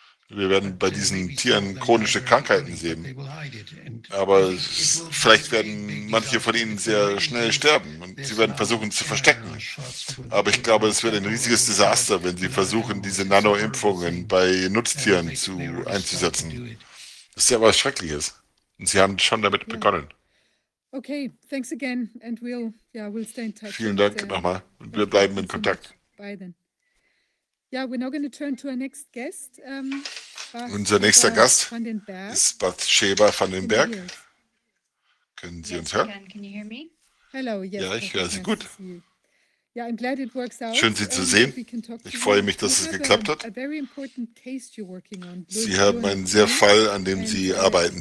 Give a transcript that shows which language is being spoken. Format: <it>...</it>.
<de>Wir werden bei diesen Tieren chronische Krankheiten sehen. Aber vielleicht werden manche von ihnen sehr schnell sterben und sie werden versuchen zu verstecken. Aber ich glaube, es wird ein riesiges Desaster, wenn sie versuchen, diese Nanoimpfungen bei Nutztieren einzusetzen. Das ist ja was Schreckliches. Und sie haben schon damit begonnen.</de> <en>Okay, thanks again and we'll stay in touch.</en> <de>Vielen Dank nochmal und wir bleiben in Kontakt.</de> <en>Yeah, we're now going to turn to our next guest.</en> <de>Unser nächster Gast ist Bathsheba van den Berg. Können Sie uns hören?</de> <en>Can you hear me? Hello, yes.</en> <de>Ja, ich höre Sie gut.</de> <en>Yeah, I'm glad it works out.</en> <de>Schön, Sie zu sehen. Ich freue mich, dass es geklappt hat. Sie haben einen sehr Fall, an dem Sie arbeiten.</de>